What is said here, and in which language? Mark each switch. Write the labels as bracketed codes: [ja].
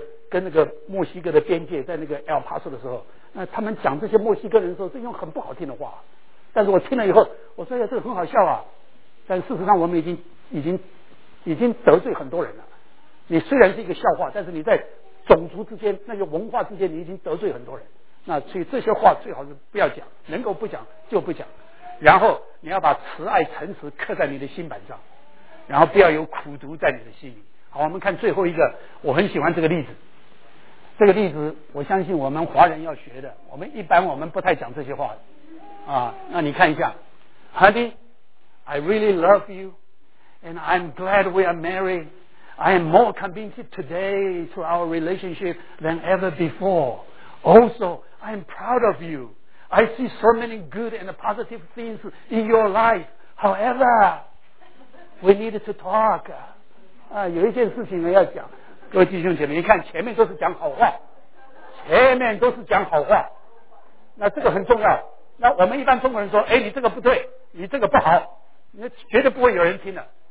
[zh] 跟那个墨西哥的边界，在那个 El Paso 的时候，那他们讲这些墨西哥人的时候是用很不好听的话，但是我听了以后我说、哎、这个很好笑啊，但事实上我们已经得罪很多人了，你虽然是一个笑话，但是你在种族之间那个文化之间你已经得罪很多人，那所以这些话最好是不要讲，能够不讲就不讲，然后你要把慈爱诚实刻在你的心板上，然后不要有苦毒在你的心里。好，我们看最后一个，我很喜欢这个例子，这个例子我相信我们华人要学的，我们一般我们不太讲这些话啊。那你看一下， [en] Honey I really love you and I'm glad we are married, I am more convinced today to our relationship than ever before, also I am proud of youI see so many good and positive things in your life. However, we need to talk. [zh] 啊，有一件事情要讲，各位弟兄姐妹，你看前面都是讲好话，前面都是讲好话，那这个很重要。那我们一般中国人说，哎，你这个不对，你这个不好，那绝对不会有人听的。